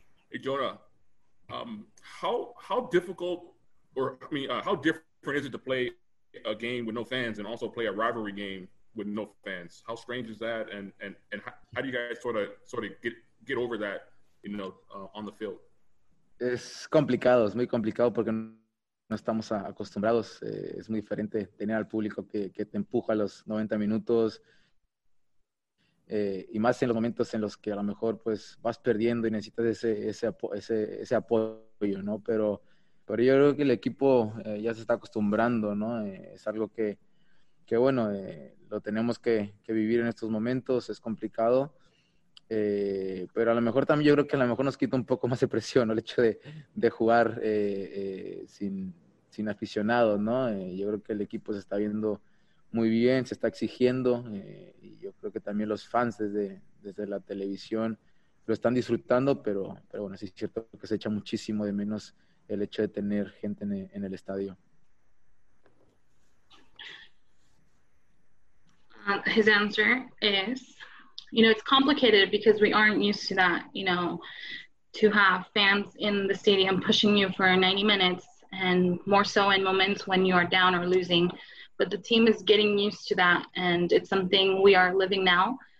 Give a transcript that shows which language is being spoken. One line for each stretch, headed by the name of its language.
English: Hey, Jonah, how different is it to play a game with no fans and also play a rivalry game with no fans? How strange is that? And how do you guys sort of get over that, you know, on the field?
Spanish: Es complicado, es muy complicado porque no estamos acostumbrados. Es muy diferente tener al público que te empuja a los 90 minutos. Y más en los momentos en los que a lo mejor pues vas perdiendo y necesitas ese apoyo, ¿no? Pero yo creo que el equipo ya se está acostumbrando, ¿no? Es algo que bueno, lo tenemos que vivir en estos momentos, es complicado. Pero a lo mejor también yo creo que a lo mejor nos quita un poco más de presión, ¿no? El hecho de jugar sin aficionados, ¿no? Yo creo que el equipo se está viendo muy bien, se está exigiendo, y yo creo que también los fans desde la televisión lo están disfrutando, pero bueno, sí es cierto que se echa muchísimo de menos el hecho de tener gente en el estadio.
English: His answer is, you know, it's complicated because we aren't used to that, you know, to have fans in the stadium pushing you for 90 minutes, and more so in moments when you are down or losing. But the team is getting used to that, and it's something we are living now.